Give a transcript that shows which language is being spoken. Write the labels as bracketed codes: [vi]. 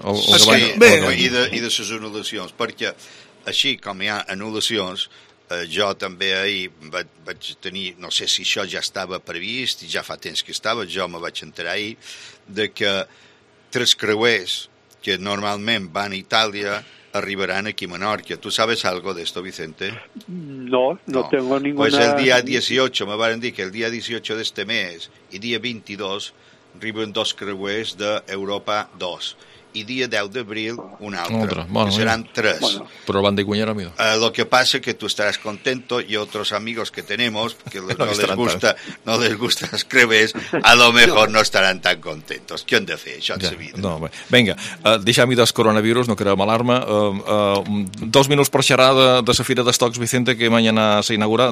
[ca] I de les anul·lacions, perquè així com hi ha anul·lacions, jo també ahir vaig tenir, no sé si això ja estava previst, ja fa temps que estava, jo me vaig enterar ahir, de que tres creuers que normalment van a Itàlia arribaran aquí a Menorca. [es] ¿Tu sabes algo de esto, Vicente? No, tengo ninguna... Pues el día 18, [ca] me van dir que el día 18 d'este mes i dia 22 arriben dos creuers d'Europa 2. I dia 10 d'abril, un altre. Bueno, seran tres. Bueno. Però van de guanyar, amigo. [es] Lo que pasa es que tú estarás contento y otros amigos que tenemos, que no les gusta [ca] els creuers, [es] a lo mejor no estarán tan contentos. [ca] ¿Qué han de fer, això, en sa vida? No, venga, deixa-me dos coronavirus, no creem alarma. Dos minuts per xerrar de sa fira d'estocs, Vicente, que mañana s'inaugura.